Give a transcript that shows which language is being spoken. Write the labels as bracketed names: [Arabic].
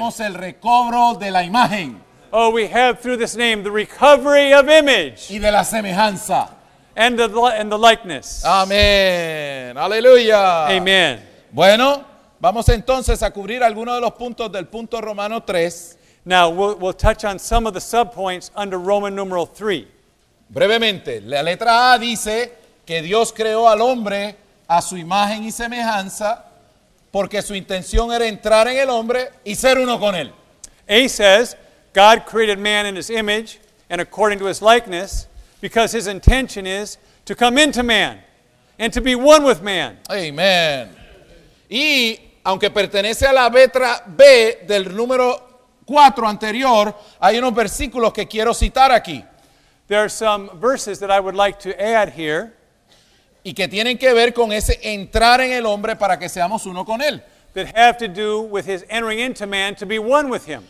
[Spanish] Tenemos el recobro de la imagen. [English] Oh, we have through this name the recovery of image. [Spanish] Y de la semejanza. [English] And the likeness. Amen. Hallelujah. Amen. [Spanish] Bueno, vamos entonces a cubrir algunos de los puntos del punto Romano 3. [English] Now, we'll touch on some of the subpoints under Roman numeral 3. [Spanish] Brevemente, la letra A dice que Dios creó al hombre a su imagen y semejanza porque su intención era entrar en el hombre y ser uno con él. [English] A says, God created man in his image and according to his likeness because his intention is to come into man and to be one with man. Amen. [Spanish] Y aunque pertenece a la letra B del número 4 anterior, hay unos versículos que quiero citar aquí. [English] There are some verses that I would like to add here. [Spanish] Y que tienen que ver con ese entrar en el hombre para que seamos uno con él. [English] That have to do with his entering into man to be one with him.